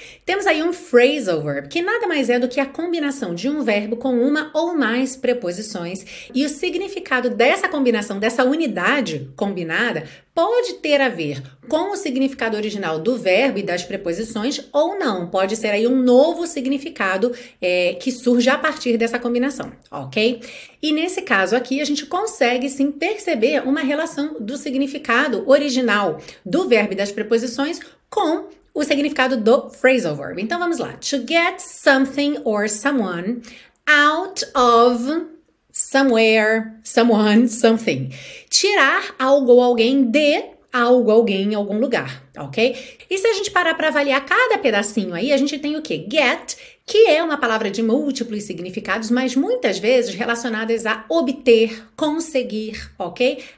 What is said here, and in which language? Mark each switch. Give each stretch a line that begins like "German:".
Portuguese: Temos aí um phrasal verb, que nada mais é do que a combinação de um verbo com uma ou mais preposições, e o significado dessa combinação, dessa unidade combinada, pode ter a ver com o significado original do verbo e das preposições, ou não, pode ser aí um novo significado que surge a partir dessa combinação, ok? E nesse caso aqui, a gente consegue sim perceber uma relação do significado original do verbo e das preposições com o significado do phrasal verb. Então vamos lá.
English: To get something or someone out of somewhere, someone, something.
Portuguese: Tirar algo ou alguém de algo, alguém, em algum lugar, ok? E se a gente parar para avaliar cada pedacinho aí, a gente tem o quê? Get, que é uma palavra de múltiplos significados, mas muitas vezes relacionadas a obter, conseguir, ok?